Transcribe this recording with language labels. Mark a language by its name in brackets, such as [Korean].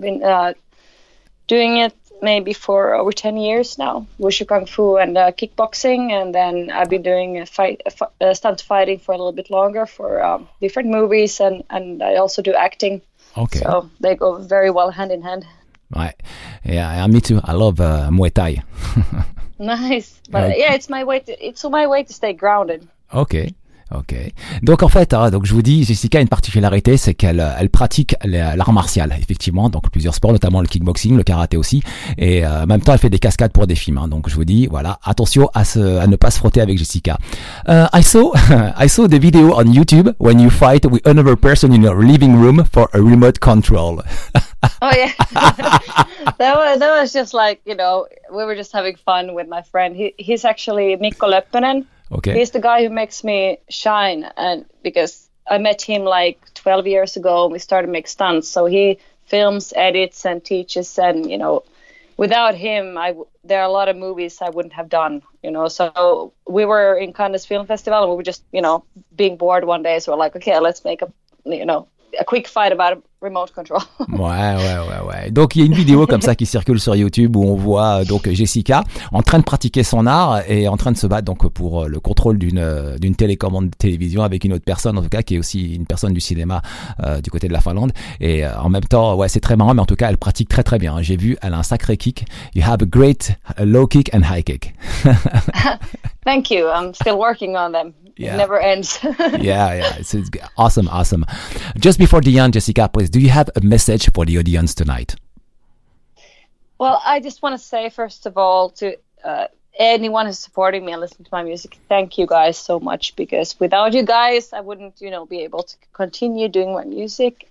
[English] Been doing it maybe for over 10 years now, Wushu Kung Fu and kickboxing, and then I've been doing stunt fighting for a little bit longer for different movies, and I also do acting. Okay. So they go very well hand in hand. Right. Yeah, me too. I love Muay Thai. Nice. But yeah, it's my way to stay grounded. Okay. Ok. [French] Donc en fait, donc je vous dis, Jessica a une particularité, c'est qu'elle pratique l'art martial, effectivement, donc plusieurs sports, notamment le kickboxing, le karaté aussi, et en même temps elle fait des cascades pour des films. Hein, donc je vous dis, voilà, attention à ne pas se frotter avec Jessica. [English] I saw the video on YouTube when you fight with another person in your living room for a remote control. Oh yeah, that was just like, you know, we were just having fun with my friend. He's actually Mikko Leppänen. Okay. He's the guy who makes me shine, and because I met him like 12 years ago, and we started make stunts. So he films, edits, and teaches. And you know, without him, there are a lot of movies I wouldn't have done. You know, so we were in Cannes Film Festival, and we were just, you know, being bored one day, so we're like, okay, let's make a quick fight about remote control. [French] Ouais. Donc il y a une vidéo comme ça qui circule sur YouTube où on voit donc Jessica en train de pratiquer son art et en train de se battre donc pour le contrôle d'une télécommande de télévision avec une autre personne, en tout cas qui est aussi une personne du cinéma du côté de la Finlande. Et en même temps, ouais, c'est très marrant, mais en tout cas elle pratique très très bien. J'ai vu, elle a un sacré kick. [English] You have a great low kick and high kick. Thank you. I'm still working on them. Yeah. It never ends. Yeah. It's awesome, awesome. Just before the end, Jessica, please, do you have a message for the audience tonight? Well, I just want to say, first of all, to anyone who's supporting me and listening to my music, thank you guys so much, because without you guys, I wouldn't, you know, be able to continue doing my music.